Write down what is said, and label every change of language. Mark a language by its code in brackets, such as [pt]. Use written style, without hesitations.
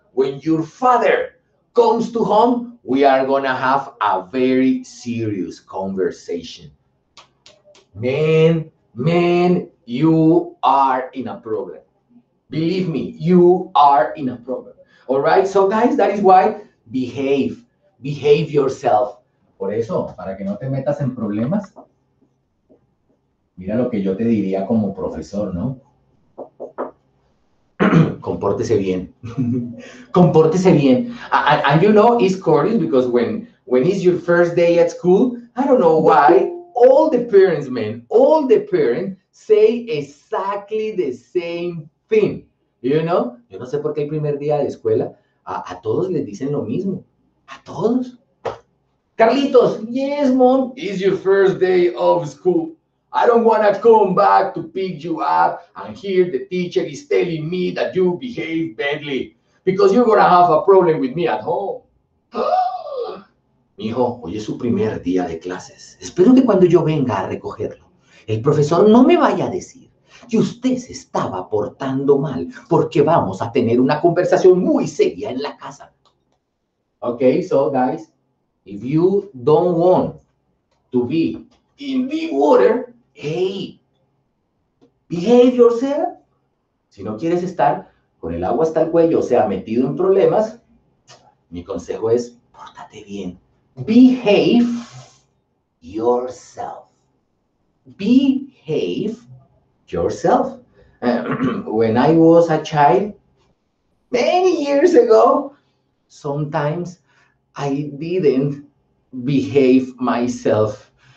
[en] When your father comes to home, we are gonna have a very serious conversation. Man, man, you are in a problem. Believe me, you are in a problem. All right, so guys, that is why behave, behave yourself. [es] Por eso, para que no te metas en problemas, mira lo que yo te diría como profesor, ¿no? Compórtese bien. Compórtese bien. [en] And you know, it's curious because when is your first day at school, I don't know why, all the parents, man, all the parents say exactly the same thing. You know? [es] Yo no sé por qué el primer día de escuela a todos les dicen lo mismo. A todos. Carlitos, [en] yes, mom. It's your first day of school. I don't want to come back to pick you up and hear the teacher is telling me that you behave badly because you're going to have a problem with me at home. [es] Mijo, hoy es su primer día de clases. Espero que cuando yo venga a recogerlo, el profesor no me vaya a decir que usted se estaba portando mal porque vamos a tener una conversación muy seria en la casa. [en] Okay, so guys, if you don't want to be in deep water, hey, behave yourself. [es] Si no quieres estar con el agua hasta el cuello, o sea, metido en problemas, mi consejo es, pórtate bien. [en] Behave yourself. Behave yourself. When I was a child, many years ago, sometimes I didn't behave myself.